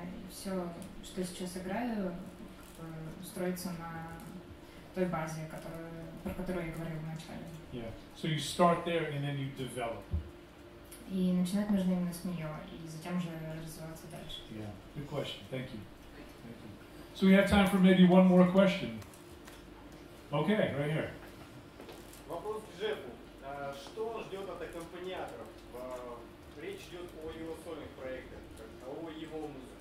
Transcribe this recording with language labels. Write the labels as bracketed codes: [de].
[ru] Все, что сейчас играю, строится на той базе, про которую я говорил в начале. [en] Yeah. So you start there and then you develop. [ru] И начинать нужно именно с нее, и затем уже развиваться дальше. [en] Yeah. Good question. Thank you. Thank you. So we have time for maybe one more question. Okay, right here. [ru] Вопрос к Джеффу. Что ждет от аккомпаниаторов? Речь идет о его сольных проектах, о его музыке.